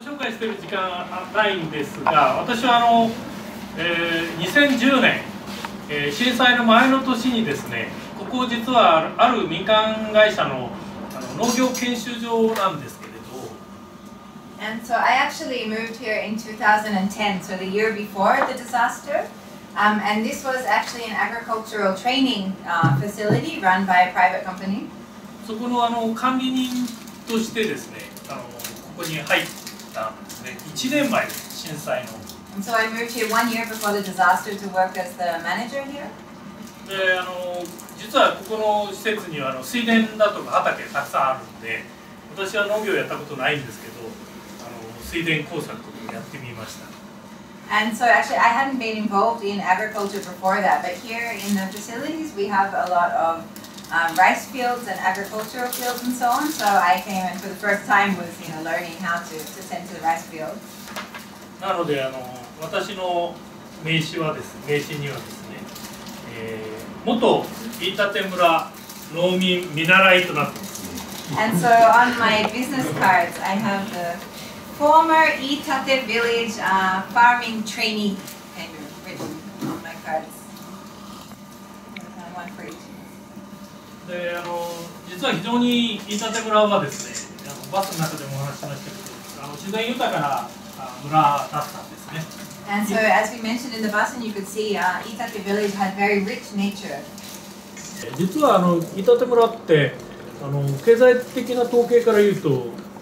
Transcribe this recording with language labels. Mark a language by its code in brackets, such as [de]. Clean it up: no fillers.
[ja] してる時間はないんですが、私はあの、2010年、震災の前の年にですね、ここ実はある民間会社 の農業研修場なんですけれど、 [en] And so I actually moved here in 2010, so the year before the disaster. And this was actually an agricultural training facility run by a private company. [ja] そこ の管理人としてですね、あのここに入ったんですね。 1年前で震災の。 [en] And so I moved here 1 year before the disaster to work as the manager here. [ja] であの実はここの施設にはあの水田だとか畑がたくさんあるんで、私は農業をやったことないんですけど、あの水田工作をやってみました。 [en] And so actually I hadn't been involved in agriculture before that, but here in the facilities we have a lot of rice fields and agricultural fields and so on. So I came and for the first time was, you know, learning how to tend to the rice fields. [ja] なのであの私の名刺はです、名刺にはですね、元飯舘村農民見習いとなってます。 [en] And so on my business cards I have theFormer Itate Village Farming Trainee kind of written on my cards. One for each. [ja] で、あの実は非常に飯舘村はですね、あのバスの中でもお話ししましたけど、あの自然豊かな村だったんですね。 [en] And so as we mentioned in the bus, and you could see, Itate Village had very rich nature. [ja] 実はあの飯舘村ってあの経済的な統計から言うと。